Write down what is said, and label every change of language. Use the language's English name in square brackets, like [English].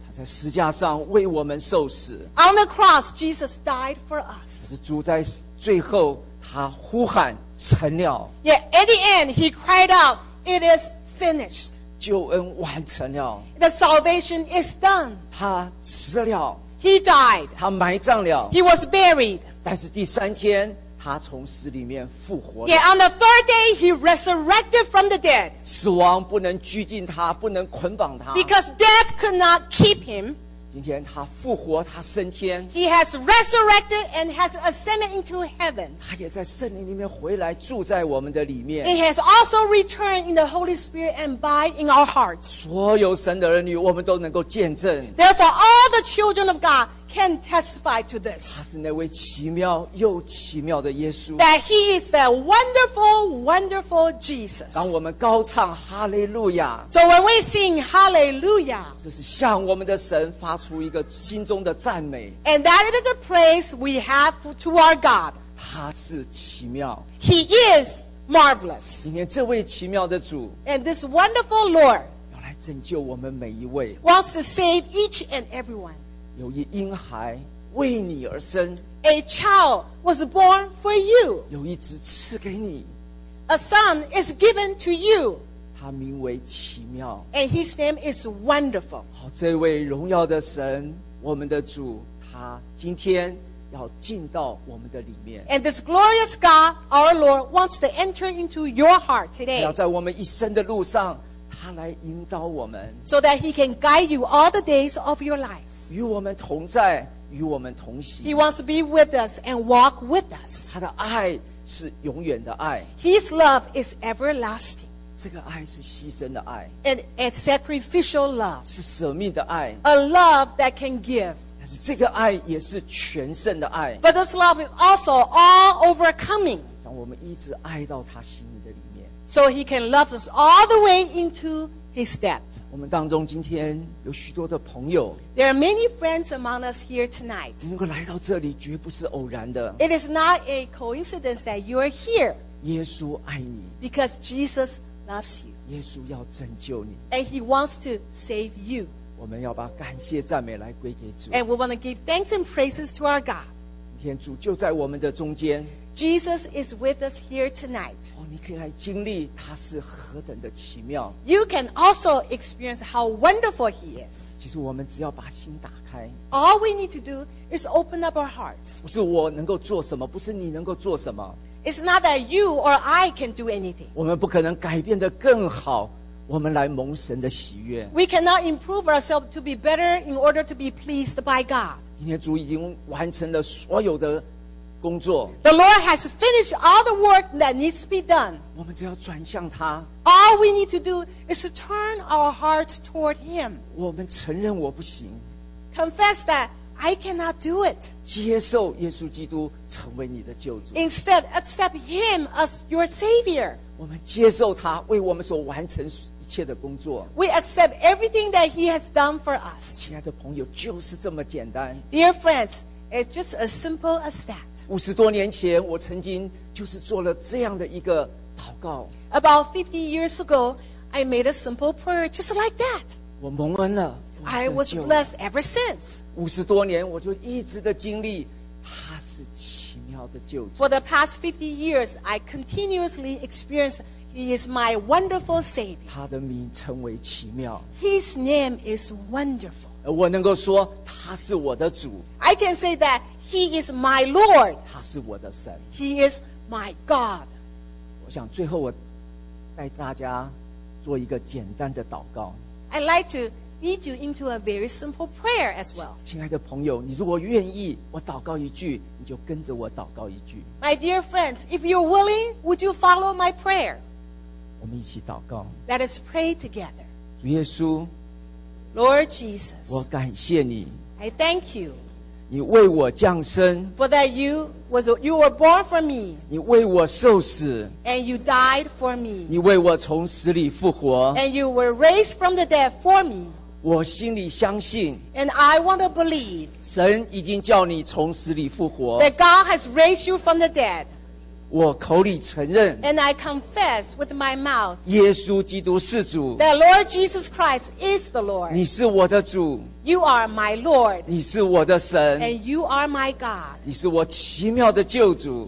[Chinese] 他在十架上为我们受死。 [English] On the cross, Jesus died for us. [Chinese] 是主在最后他呼喊成了。 [English] Yet at the end, he cried out, "It is finished." [Chinese] 救恩完成了。 [English] The salvation is done. [Chinese] 他死了。 [English] He died. [Chinese] 他埋葬了。 [English] He was buried. [Chinese] 但是第三天。他从死里面复活了。 [English] Yet on the third day, he resurrected from the dead. [Chinese] 死亡不能拘禁他，不能捆绑他。 [English] Because death could not keep him. [Chinese] 今天他复活，他升天。 [English] He has resurrected and has ascended into heaven. [Chinese] 他也在圣灵里面回来，住在我们的里面。 [English] He has also returned in the Holy Spirit and abide in our hearts. [Chinese] 所有神的儿女，我们都能够见证。 [English] Therefore, all the children of God. Can testify to this. [Chinese] 他是那位奇妙又奇妙的耶稣。 [English] That he is the wonderful, wonderful Jesus. [Chinese] 当我们高唱哈利路亚。 [English] So when we sing hallelujah, [Chinese] 就是向我们的神发出一个心中的赞美。 [English] And that is the praise we have to our God. [Chinese] 他是奇妙。 [English] He is marvelous. [Chinese] 今天这位奇妙的主。 [English] And this wonderful Lord. [Chinese] 要来拯救我们每一位。 [English] Wants to save each and everyone. [Chinese] 有一婴孩为你而生 [English] A child was born for you [Chinese] 有一子赐给你 [English] A son is given to you [Chinese] 他名为奇妙 [English] And his name is wonderful [Chinese] 好，这位荣耀的神我们的主他今天要进到我们的里面 [English] And this glorious God our Lord wants to enter into your heart today [Chinese] 要在我们一生的路上他来引导我们 [English] So that he can guide you all the days of your lives [Chinese] 与我们同在与我们同行 [English] He wants to be with us and walk with us [Chinese] 他的爱是永远的爱 [English] His love is everlasting [Chinese] 这个爱是牺牲的爱 [English] And a sacrificial love [Chinese] 是舍命的爱 [English] A love that can give [Chinese] 但是这个爱也是全胜的爱 [English] But this love is also all overcoming [Chinese] 让我们一直爱到他心里的里面 [English] So he can love us all the way into his death. [Chinese] 我们当中今天有许多的朋友。 [English] There are many friends among us here tonight. [Chinese] 能够来到这里绝不是偶然的。 [English] It is not a coincidence that you are here. [Chinese] 耶稣爱你。 [English] Because Jesus loves you. [Chinese] 耶稣要拯救你。 [English] And he wants to save you. [Chinese] 我们要把感谢赞美来归给主。 [English] And we want to give thanks and praises to our God. [Chinese] 今天主就在我们的中间。 [English] Jesus is with us here tonight. [Chinese] 哦，你可以来经历他是何等的奇妙。 [English] You can also experience how wonderful he is. [Chinese] 其实我们只要把心打开。 [English] All we need to do is open up our hearts. [Chinese] 不是我能够做什么，不是你能够做什么。 [English] It's not that you or I can do anything. [Chinese] 我们不可能改变得更好，我们来蒙神的喜悦。 [English] We cannot improve ourselves to be better in order to be pleased by God. [Chinese] 今天主已经完成了所有的工作。 [English] The Lord has finished all the work that needs to be done. [Chinese] 我们只要转向他。 [English] All we need to do is to turn our hearts toward Him. [Chinese] 我们承认我不行。 [English] Confess that I cannot do it. [Chinese] 接受耶稣基督成为你的救主。 [English] Instead, accept Him as your Savior. [Chinese] 我们接受他为我们所完成一切的工作。 [English] We accept everything that He has done for us. [Chinese] 亲爱的朋友，就是这么简单。 [English] Dear friends, it's just as simple as that. [Chinese] 五十多年前，我曾经就是做了这样的一个祷告。 [English] About 50 years ago, I made a simple prayer just like that. [Chinese] 我蒙恩了。 [English] I was blessed ever since. [Chinese] 五十多年，我就一直的经历他是奇妙的救主。 [English] For the past 50 years, I continuously experienced He is my wonderful Savior. [Chinese] 他的名称为奇妙。 [English] His name is wonderful. [Chinese] 我能够说他是我的主。 [English] I can say that He is my Lord. [Chinese] 他是我的神。 [English] He is my God. [Chinese] 我想最后我带大家做一个简单的祷告。 [English] I'd like to lead you into a very simple prayer as well. [Chinese] 亲爱的朋友，你如果愿意，我祷告一句，你就跟着我祷告一句。 [English] My dear friends, if you're willing, would you follow my prayer? [Chinese] 我们一起祷告。 [English] Let us pray together. [Chinese] 主耶稣。 [English] Lord Jesus. [Chinese] 我感谢你。 [English] I thank you. [Chinese] 你为我降生。 [English] For that you were born for me. [Chinese] 你为我受死。 [English] And you died for me. [Chinese] 你为我从死里复活。 [English] And you were raised from the dead for me. [Chinese] 我心里相信 [English] And I want to believe [Chinese] 神已经叫你从死里复活 [English] That God has raised you from the dead [Chinese] 我口里承认 [English] And I confess with my mouth [Chinese] 耶稣基督是主 [English] That Lord Jesus Christ is the Lord [Chinese] 你是我的主 [English] You are my Lord [Chinese] 你是我的神 [English] And you are my God [Chinese] 你是我奇妙的救主